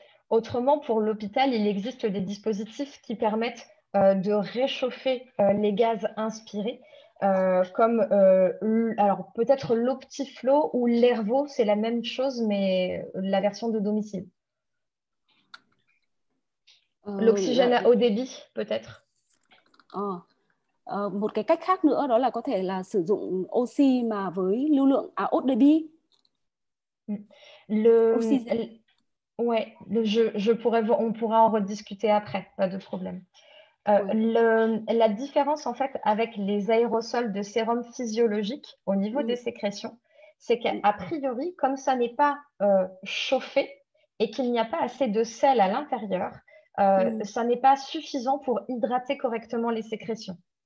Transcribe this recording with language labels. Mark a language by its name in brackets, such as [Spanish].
[French] Autrement, pour l'hôpital, il existe des dispositifs qui permettent de réchauffer les gaz inspirés comme alors peut-être l'Optiflow ou l'Ervo, c'est la même chose, mais la version de domicile. L'oxygène haut débit, peut-être. [Vietnamese] Một cái cách khác nữa đó là có thể là sử dụng oxy mà với lưu lượng à ODB oxygène. [French] Je pourrais, on pourra en rediscuter après, pas de problème. Ouais. La différence en fait avec les aérosols de sérum physiologique au niveau des sécrétions, c'est qu'a priori, comme ça n'est pas chauffé et qu'il n'y a pas assez de sel à l'intérieur, ça n'est pas suffisant pour hydrater correctement les sécrétions.